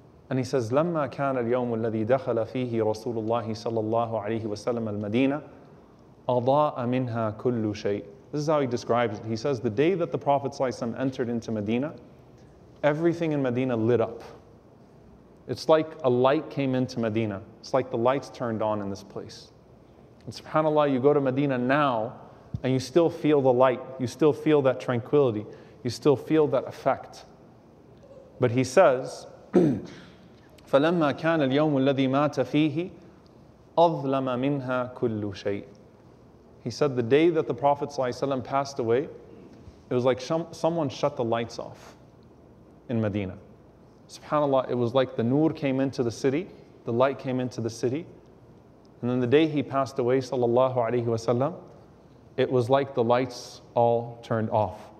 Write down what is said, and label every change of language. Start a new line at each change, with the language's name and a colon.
English: And he says,
Arabic: لَمَّا كَانَ الْيَوْمُ الَّذِي دَخَلَ فِيهِ رَسُولُ اللَّهِ صَلَّى اللَّهُ عَلَيْهِ وَسَلَّمَ الْمَدِينَةِ أَضَاءَ مِنْهَا كُلُّ شَيْءٍ.
English: This is how he describes it. He says, the day that the Prophet ﷺ entered into Medina, everything in Medina lit up. It's like a light came into Medina. It's like the lights turned on in this place. And subhanAllah, you go to Medina now, and you still feel the light. You still feel that tranquility. You still feel that effect. But he says,
Arabic: فَلَمَّا كَانَ الْيَوْمُ الَّذِي مَاتَ فِيهِ أَظْلَمَ مِنْهَا كُلُّ شَيْءٍ.
English: He said, the day that the Prophet ﷺ passed away, it was like someone shut the lights off in Medina. SubhanAllah, it was like the nur came into the city, the light came into the city. And then the day he passed away, sallallahu alayhi wasallam, it was like the lights all turned off.